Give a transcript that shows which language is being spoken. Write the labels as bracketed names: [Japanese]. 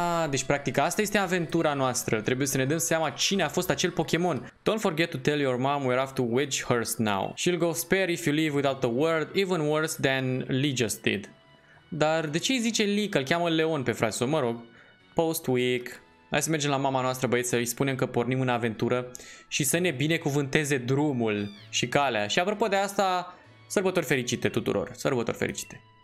[Romanian] Deci practic asta este aventura noastră. Trebuie să ne dăm seama cine a fost acel Pokémon. [English] Don't forget to tell your mom we're off to Wedgehurst now. She'll go spare if you leave without a word, even worse than Lee just did. [Romanian] Dar de ce îi zice Lee că îl cheamă Leon pe frasul? Mă rog, post week. Hai să mergem la mama noastră, băieți, să îi spunem că pornim în aventură și să ne binecuvânteze drumul și calea. Și apropo de asta, sărbători fericite tuturor. Sărbători fericite.